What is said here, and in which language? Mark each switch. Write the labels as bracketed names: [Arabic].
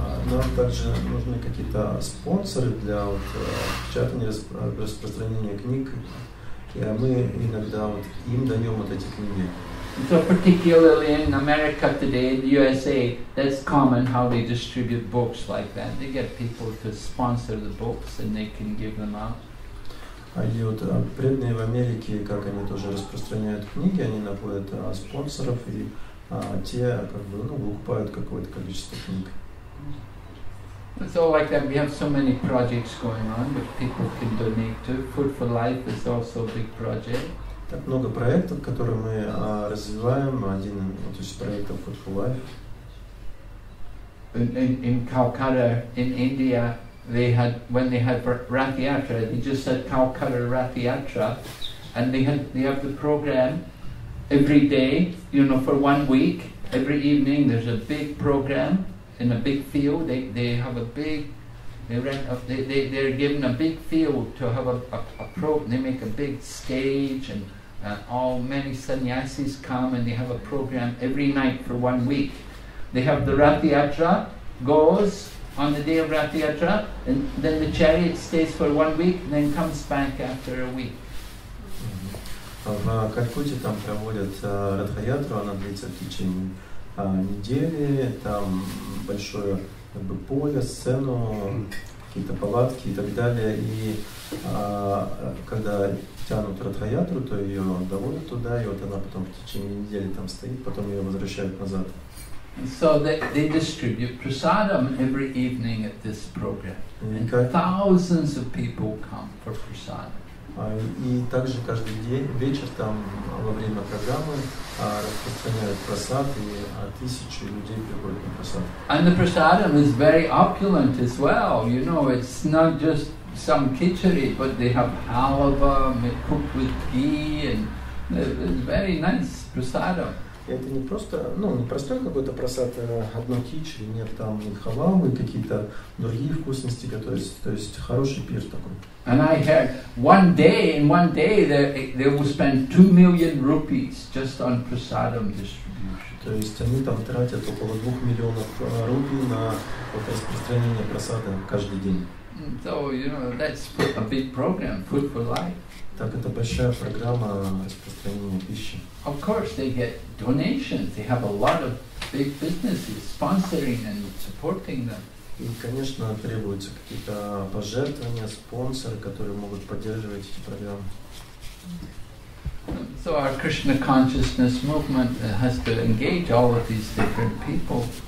[Russian] Нам также нужны какие-то спонсоры для печатания, распространения книг. И мы иногда им даем эти книги. [English] So particularly in America today, in the USA, that's common how they distribute books like that. They get people to sponsor the books and they can give them out. [Russian] И вот преданные в Америке, как они тоже распространяют книги, они находят спонсоров, и те как бы выкупают какое-то количество книг. [English] It's all like that. We have so many projects going on, which people can donate to. Food for Life is also a big project. [Russian] Так много проектов, которые мы развиваем. Один из проектов Food for Life. [English] In Calcutta, in India, when they had Rath Yatra, they just said Calcutta Rath Yatra, and they have the program every day, you know, for 1 week, every evening there's a big program in a big field. They're given a big field to have they make a big stage, and all many sannyasis come, and they have a program every night for 1 week. They have the Rath Yatra goes on the day of Rath Yatra, and then the chariot stays for 1 week, and then comes back after a week. [Russian] В Калькутте там проводят Ратха Ятру, она длится в течение недели. Там большое поле, сцену, какие-то палатки и так далее. И когда тянут Ратха Ятру, то ее доводят туда, и вот она потом в течение недели там стоит, потом ее возвращают назад. [English] So they distribute prasadam every evening at this program. And thousands of people come for prasadam. [Russian] И также каждый день, вечер там во время программы распространяют просад, и тысячи людей приходят на просад. [English] And the prasadam is very opulent as well. You know, it's not just some khichdi, but they have halva cooked with ghee, and it's very nice prasadam. [Russian] Это не просто, ну, не простой какой-то просад, одно хичи, нет, там и халавы, и какие-то другие вкусности, то есть хороший пир такой. [English] And I heard one day they will spend 2 million rupees just on prasadam distribution. [Russian] То есть они там тратят около 2 миллионов рупий на вот распространение просада каждый день. [English] So, you know, that's a big program, food for life. [Russian] Так это большая программа распространения пищи. [English] Of course, they get donations. They have a lot of big businesses sponsoring and supporting them. [Russian] И, конечно, требуются какие-то пожертвования, спонсоры, которые могут поддерживать эти программы. [English] So our Krishna consciousness movement has to engage all of these different people.